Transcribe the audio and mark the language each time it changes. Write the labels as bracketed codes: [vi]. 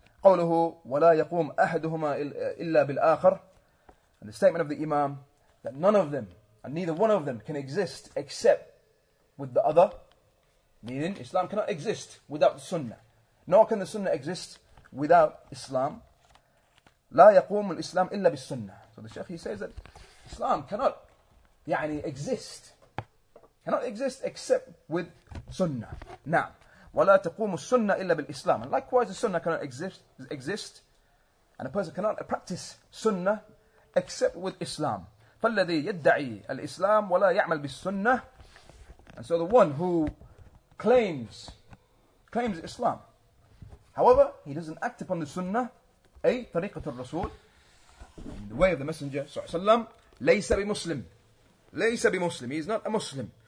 [ar] قوله ولا يقوم أحدهما إلا بالآخر. [en] And the statement of the Imam, that none of them, and neither one of them, can exist except with the other, meaning Islam cannot exist without the Sunnah. Nor can the Sunnah exist without Islam. [ar] لا يقوم الإسلام إلا بالسنة. [en] So the Sheikh, he says that Islam cannot يعني exist. Cannot exist except with Sunnah. نعم. [ar] ولا تقوم السنة إلا بالإسلام. [en] And likewise, the Sunnah cannot exist. And a person cannot practice Sunnah except with Islam. [ar] فالذي يدعي الإسلام ولا يعمل بالسنة. [en] And so the one who claims Islam, however, he doesn't act upon the Sunnah, [ar] طريقة الرسول, [en] in the way of the Messenger, صلى الله عليه وسلم, [ar] ليس بمسلم, [en] he is not a Muslim.